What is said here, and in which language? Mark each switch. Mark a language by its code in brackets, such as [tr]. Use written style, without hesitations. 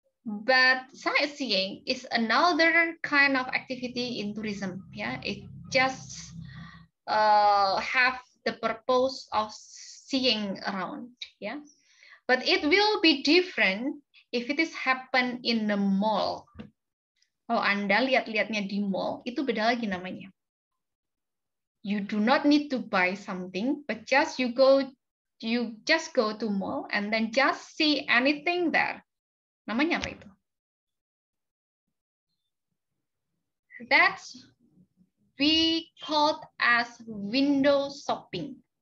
[en] But sightseeing is another kind of activity in tourism. Yeah, it just have the purpose of seeing around. Yeah, but it will be different if it is happen in the mall. [id] Kalau Anda lihat-lihatnya di mall, itu beda lagi namanya. [en] You do not need to buy something, but just you just go to mall and then just see anything there. [id] Namanya apa itu? [en] That's we called as window shopping.